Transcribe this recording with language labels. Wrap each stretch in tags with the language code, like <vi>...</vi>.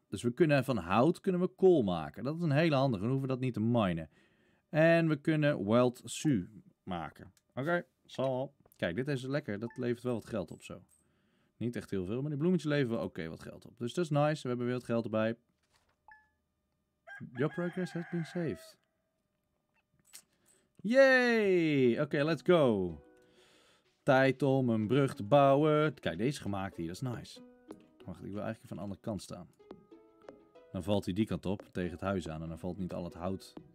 <nl>Dus we kunnen van hout kunnen we kool maken. Dat is een hele handige. Dan hoeven we dat niet te minen. En we kunnen wild su maken. Oké, zal wel. Kijk, dit is lekker. Dat levert wel wat geld op zo. Niet echt heel veel, maar die bloemetjes leveren oké wat geld op. Dus dat is nice. We hebben weer wat geld erbij.</nl> <en>Your progress has been saved. Yay! Oké, let's go.</en> <nl>Tijd om een brug te bouwen. Kijk, deze gemaakt hier, dat is nice. Wacht, ik wil eigenlijk van de andere kant staan. Dan valt hij die kant op, tegen het huis aan. En dan valt niet al het hout.</nl>